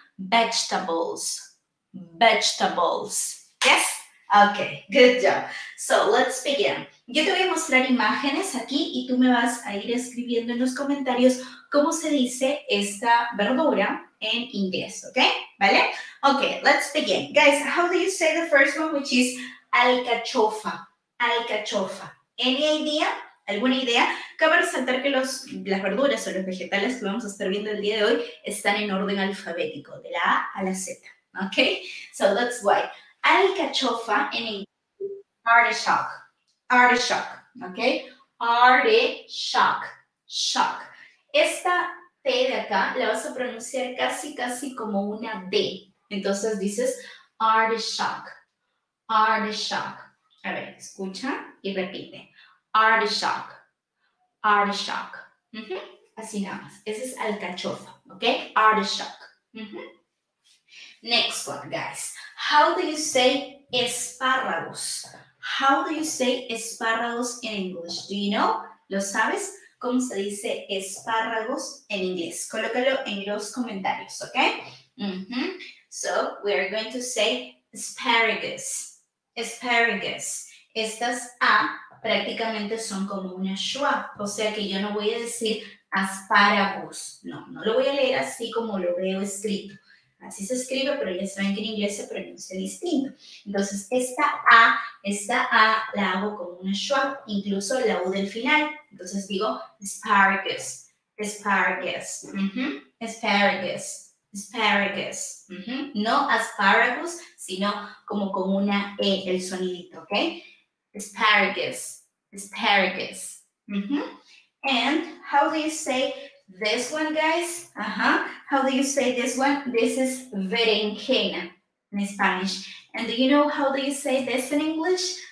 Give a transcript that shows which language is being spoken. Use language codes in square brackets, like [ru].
[en] Vegetables, vegetables. Yes? Ok, good job. So, let's begin. [es] Yo te voy a mostrar imágenes aquí y tú me vas a ir escribiendo en los comentarios cómo se dice esta verdura en inglés, ¿ok? [en] ¿Vale? Ok, let's begin. Guys, how do you say the first one, which is alcachofa? Alcachofa. Any idea? [es] ¿Alguna idea? Cabe resaltar que las verduras o los vegetales que vamos a estar viendo el día de hoy están en orden alfabético, de la A a la Z, ¿ok? [en] So that's why. [es] Alcachofa en inglés, artichoke, artichoke, ¿ok? Artichoke, shock. Esta T de acá la vas a pronunciar casi, casi como una D. Entonces dices artichoke, artichoke. A ver, escucha y repite. Artichoke, artichoke, así nada más, ese es alcachofa, ¿ok? [en] Artichoke. Next one, guys, how do you say espárragos? How do you say espárragos in English? Do you know? [es] ¿Lo sabes? ¿Cómo se dice espárragos en inglés? Colócalo en los comentarios, ¿ok? So, we are going to say asparagus, asparagus. Estas A prácticamente son como una schwa, o sea que yo no voy a decir asparagus, no, no lo voy a leer así como lo veo escrito. Así se escribe, pero ya saben que en inglés se pronuncia distinto. Entonces, esta A la hago como una schwa, incluso la U del final. Entonces digo asparagus, asparagus, asparagus, asparagus. No asparagus, sino como con una E, el sonidito, ¿ok? Asparagus, asparagus. [en] And how do you say this one, guys? How do you say this one? This is berenjena in Spanish. And do you know how do you say this in English?